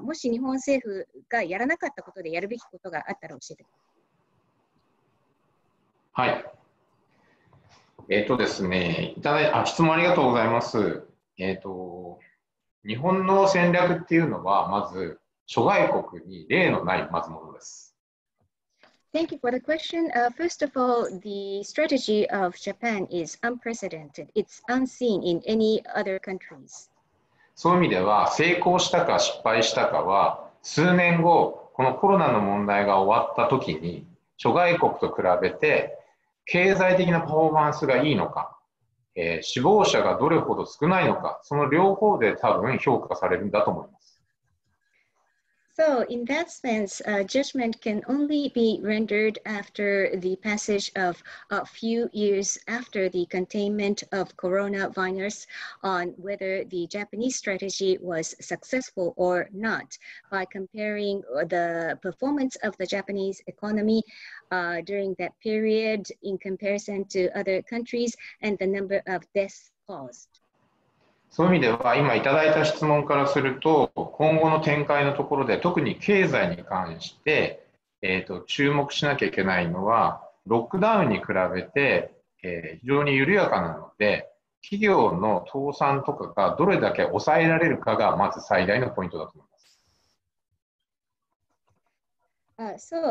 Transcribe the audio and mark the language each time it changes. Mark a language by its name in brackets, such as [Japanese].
[Japanese] もし日本政府がやらなかったことでやるべきことがあったら教えてください。はい。ですね、質問ありがとうございます。日本の戦略っていうのは、まず諸外国に例のないまずものです。 [English] Thank you for the question. First of all, the strategy of Japan is unprecedented. It's unseen in any other countries. [Japanese] そういう意味では、成功したか失敗したかは、数年後、このコロナの問題が終わった時に、諸外国と比べて、経済的なパフォーマンスがいいのか、死亡者がどれほど少ないのか、その両方で多分評価されるんだと思います。 [English] So, in that sense, judgment can only be rendered after the passage of a few years after the containment of coronavirus on whether the Japanese strategy was successful or not by comparing the performance of the Japanese economy during that period in comparison to other countries and the number of deaths caused. [Japanese] そういう意味では、今いただいた質問からすると、今後の展開のところで、特に経済に関して、注目しなきゃいけないのは、ロックダウンに比べて、非常に緩やかなので、企業の倒産とかがどれだけ抑えられるかがまず最大のポイントだと思います。